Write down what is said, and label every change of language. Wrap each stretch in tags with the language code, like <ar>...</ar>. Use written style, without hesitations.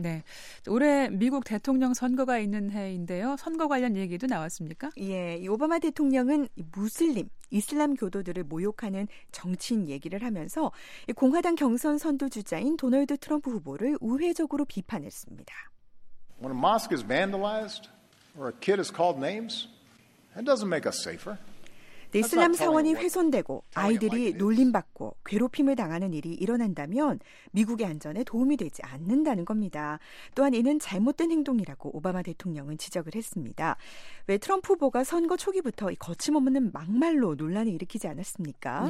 <ko>네, 올해 미국 대통령 선거가 있는 해인데요. 선거 관련 얘기도 나왔습니까? 예, 이 오바마 대통령은 무슬림, 이슬람교도들을 모욕하는 정치인 얘기를 하면서 공화당 경선 선두주자인 도널드 트럼프 후보를 우회적으로 비판했습니다.</ko> <en>When a mosque is vandalized or a kid is called names, that doesn't make us safer.</en> <ko>이슬람 사원이 훼손되고 아이들이 놀림받고 괴롭힘을 당하는 일이 일어난다면 미국의 안전에 도움이 되지 않는다는 겁니다. 또한 이는 잘못된 행동이라고 오바마 대통령은 지적을 했습니다. 왜 트럼프 후보가 선거 초기부터 거침없는 막말로 논란을 일으키지 않았습니까?</ko>